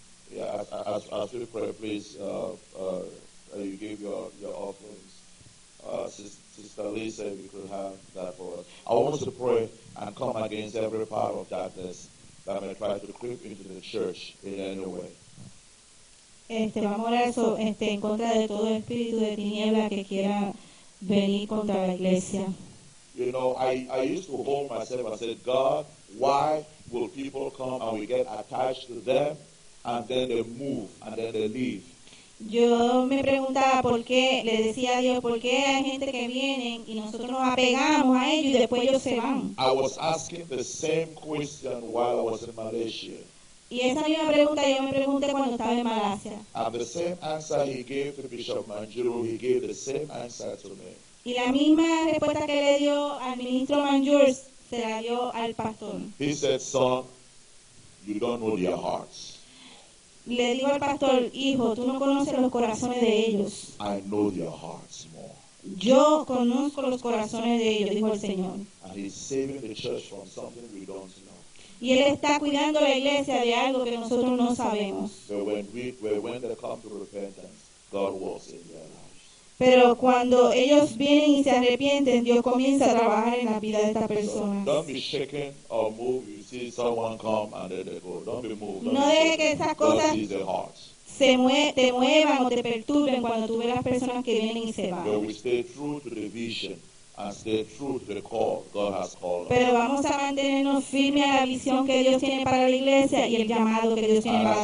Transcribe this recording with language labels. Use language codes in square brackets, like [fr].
[en] Yeah, as we pray, please, you give your offering. Sister Lisa, if you could have that for us. I want us to pray and come against every power of darkness that may try to creep into the church in any way. [es] Vamos a orar eso, en contra de todo espíritu de tiniebla que quiera venir contra la iglesia. [en] You know, I used to hold myself and say, God, why will people come and we get attached to them and then they move and then they leave? [es] Yo me preguntaba por qué, le decía a Dios, ¿por qué hay gente que viene y nosotros nos apegamos a ellos y después ellos se van? [en] I was asking the same question while I was in Malaysia. [es] Y esa misma pregunta yo me pregunté cuando estaba en Malasia. [en] And the same answer he gave to Bishop Manjuru, he gave the same answer to me. [es] Y la misma respuesta que le dio al ministro Manjuru se la dio al pastor. [en] He said, son, you don't know your hearts. [es] Le digo al pastor, hijo, tú no conoces los corazones de ellos. [en] I know your hearts more. [es] Yo conozco los corazones de ellos, dijo el Señor. [en] And he's saving the church from something we don't know. [es] Y él está cuidando la iglesia de algo que nosotros no sabemos. [en] But when they come to repentance, God works in their lives. [es] Pero cuando ellos vienen y se arrepienten, Dios comienza a trabajar en la vida de esta persona. [en] So don't be shaken or moved. See someone come and then they go. Don't be moved. [es] No deje que esas cosas [en] see the hearts. [es] Te muevan o te perturben cuando tú ves las personas que vienen y se van. [en] But we stay true to the vision. and stay true to the call God has called us. [es] Pero vamos a mantenernos firmes a la visión que Dios tiene para la iglesia y el llamado que Dios tiene para